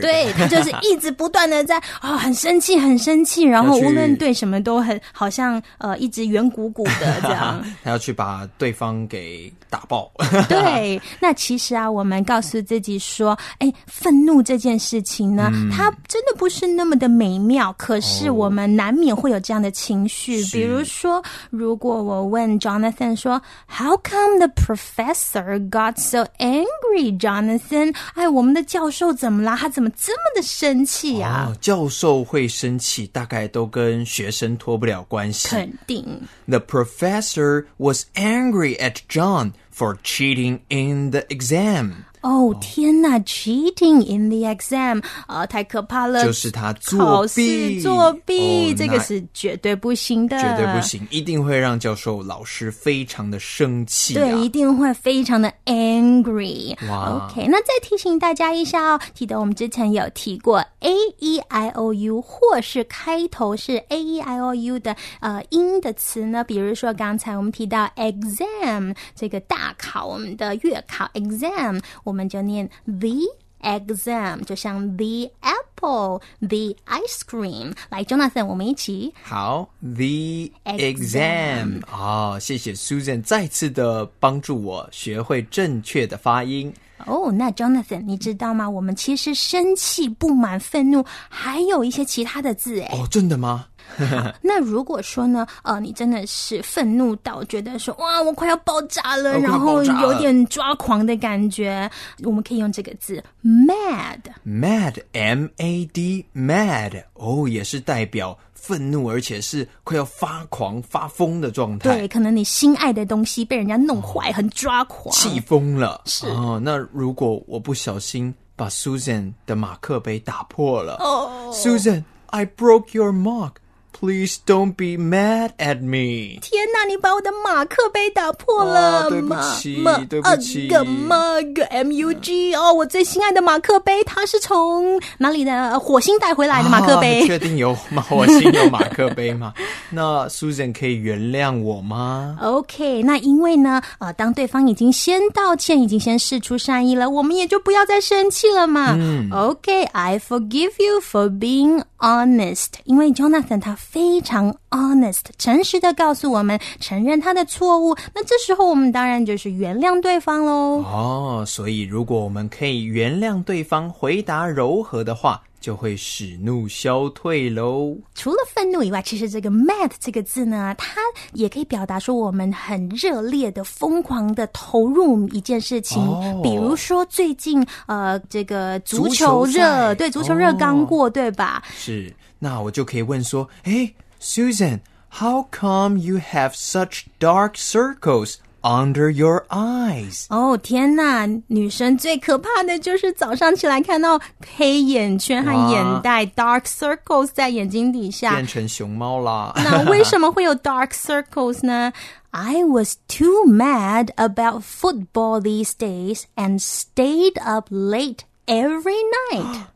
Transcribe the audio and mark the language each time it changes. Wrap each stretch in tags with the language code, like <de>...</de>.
<zh>对，他就是一直不断的在啊、哦，很生气，很生气，然后无论对什么都很好像一直圆鼓鼓的这样，他要去把对方给打爆。对，那其实啊，我们告诉自己说，哎，愤怒这件事情呢、嗯，它真的不是那么的美妙，可是我们难免会有这样的情绪。哦、比如说，如果我问 Jonathan 说 ， How come the professor got so angry, Jonathan？哎，我们的教授怎么啦？他怎么这么的生气啊、哦、教授会生气大概都跟学生脱不了关系。肯定。</zh> <en>The professor was angry at John for cheating in the exam. Oh, 天哪，cheating in the exam，太可怕了！</en> <zh>就是他作弊，作弊， oh, 这个是绝对不行的，绝对不行，一定会让教授老师非常的生气、啊，对，一定会非常的 angry。哇，OK， 那再提醒大家一下哦，记得我们之前有提过 a e i o u 或是开头是 a e i o u 的音的词呢，比如说刚才我们提到 exam 这个大考，我们的月考 exam。我们就念 the exam， 就像 the apple， the ice cream。来 Jonathan， 我们一起好 the exam。好、哦，谢谢 Susan 再次的帮助我学会正确的发音。哦、oh, ，那 Jonathan， 你知道吗？我们其实生气、不满、愤怒，还有一些其他的字哎。哦、oh, ，真的吗？那如果说呢，你真的是愤怒到觉得说哇，我快要爆炸了，然后有点抓狂的感觉，我们可以用这个字 mad， mad， m a d， mad， 哦、oh, ，也是代表。愤怒而且是快要发狂发疯的状态，对，可能你心爱的东西被人家弄坏、哦、很抓狂，气疯了，是、哦、那如果我不小心把 Susan 的马克杯打破了、哦、</zh> <en>Susan I broke your mark Please don't be mad at me</en> <zh>天哪，你把我的马克杯打破了、哦、对不起对不起 mug mug、哦、我最心爱的马克杯它是从哪里的火星带回来的马克杯、啊、确定有火星有马克杯吗那 Susan 可以原谅我吗 OK 那因为呢当对方已经先道歉已经先释出善意了我们也就不要再生气了嘛、嗯、 OK I forgive you for being honest 因为 Jonathan 他非常 honest 诚实的告诉我们承认他的错误那这时候我们当然就是原谅对方咯、哦、所以如果我们可以原谅对方回答柔和的话就会使怒消退咯除了愤怒以外其实这个 mad 这个字呢它也可以表达说我们很热烈的疯狂的投入一件事情、哦、比如说最近这个足球热足球对足球热刚过、哦、对吧</zh> <en>是那我就可以问说诶 Susan How come you have such dark circles under your eyes</en> <zh>哦、oh, 天哪女生最可怕的就是早上起来看到黑眼圈和眼袋 dark circles 在眼睛底下变成熊猫啦</zh> <en>那为什么会有 dark circles 呢I was too mad about football these days and stayed up late every night</en>